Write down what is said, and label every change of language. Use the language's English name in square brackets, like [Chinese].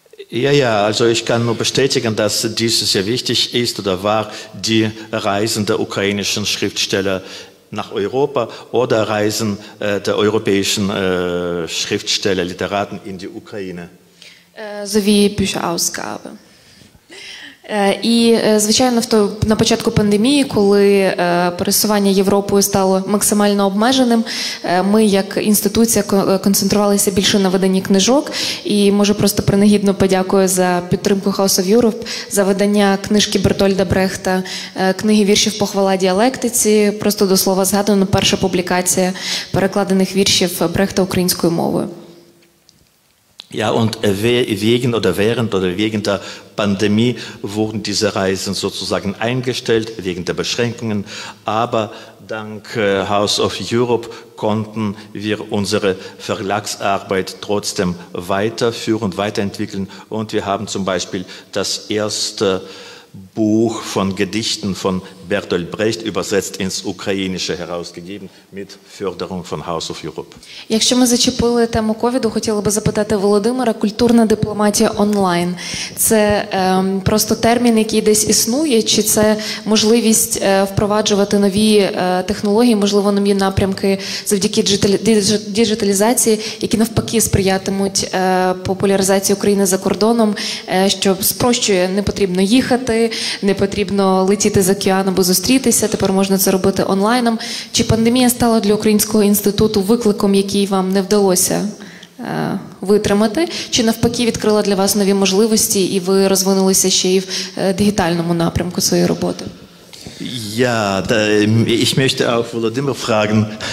[German] Ja, ja, also ich kann nur bestätigen, dass dies sehr wichtig ist oder war, die Reisen der ukrainischen Schriftsteller nach Europa oder Reisen der europäischen Schriftsteller, Literaten in die Ukraine. Sowie Bücherausgabe. [Ukrainian] І, звичайно, на початку пандемії, коли пересування Європою стало максимально обмеженим, ми як інституція концентрувалися більше на виданні книжок. І, може, просто принагідно подякую за підтримку House of Europe, за видання книжки Бертольда Брехта, книги віршів «Похвала діалектиці». Просто до слова згадано, перша публікація перекладених віршів Брехта українською мовою. [German] Ja, und wegen oder während oder wegen der Pandemie wurden diese Reisen sozusagen eingestellt, wegen der Beschränkungen. Aber dank House of Europe konnten wir unsere Verlagsarbeit trotzdem weiterführen, weiterentwickeln. Und wir haben zum Beispiel das erste Buch von Gedichten von Bertolt Brecht übersetzt ins Ukrainische herausgegeben mit Förderung von House of Europe. [Ukrainian] Якщо ми зачепили тему ковіду, хотіла би запитати Володимира, культурна дипломатія онлайн. Це просто термін, який десь існує, чи це можливість впроваджувати нові технології, можливо, нові напрямки завдяки діджиталізації, які навпаки сприятимуть популяризації України за кордоном, що спрощує, не потрібно їхати, не потрібно летіти за океаном, або зустрітися, тепер можна це робити онлайном. Чи пандемія стала для Українського інституту викликом, який вам не вдалося витримати, чи навпаки відкрила для вас нові можливості, і ви розвинулися ще й в дигітальному напрямку своєї роботи? [German] Ja, da, ich möchte auch Володимир fragen.